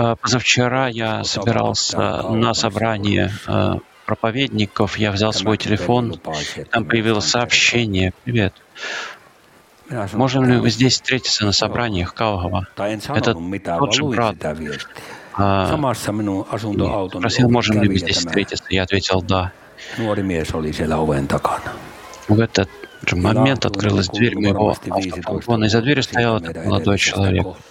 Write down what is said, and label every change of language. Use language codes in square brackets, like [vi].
[ru] Позавчера я собирался на собрание проповедников, я взял свой телефон, там появилось сообщение: привет. Можем ли вы здесь встретиться на собраниях, Каугава? Это тот же брат. Спросил, можем ли мы здесь встретиться, я ответил да. [fi] Nuori mies oli siellä oven takana. [ru] В этот же момент открылась дверь моего автофургона, и за дверью стоял этот молодой человек.